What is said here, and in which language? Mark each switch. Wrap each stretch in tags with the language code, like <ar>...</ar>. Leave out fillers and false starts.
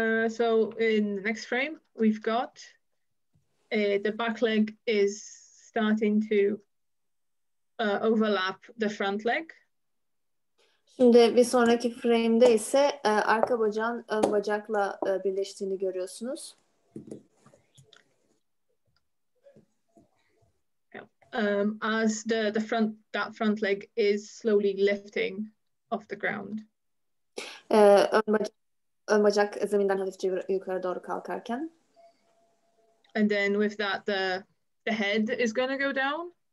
<en>So in the next frame, we've got the back leg is starting to overlap the front leg.</en> <tr>Şimdi bir sonraki frame'de ise arka bacağın ön bacakla birleştiğini görüyorsunuz.</tr> <en>As the front leg is slowly lifting off the ground.</en> <tr>Ön bacak zeminden hafifçe yukarı doğru kalkarken.</tr> <en>And then with that the head is going to go down.</en>